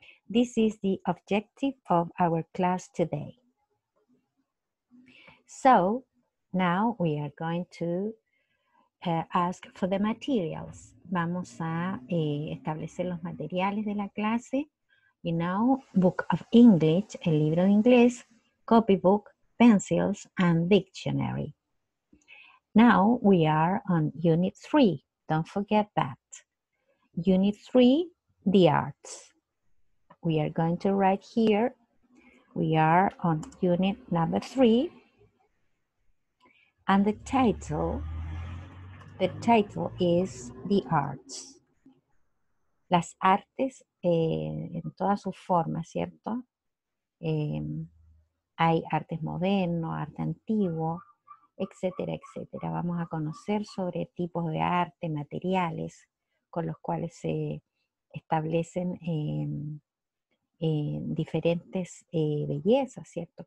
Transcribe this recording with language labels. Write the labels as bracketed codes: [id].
[en] This is the objective of our class today. So, now we are going to ask for the materials. [es] Vamos a establecer los materiales de la clase. [en] You know, book of English, [es] el libro de inglés, [en] copybook, pencils, and dictionary. Now we are on Unit 3. Don't forget that. Unit 3, the arts. We are going to write here. We are on Unit number 3. And the title is the arts. [es] Las artes en todas sus formas, ¿cierto? Hay artes moderno, arte antiguo, etcétera, etcétera. Vamos a conocer sobre tipos de arte, materiales con los cuales se establecen diferentes bellezas, ¿cierto?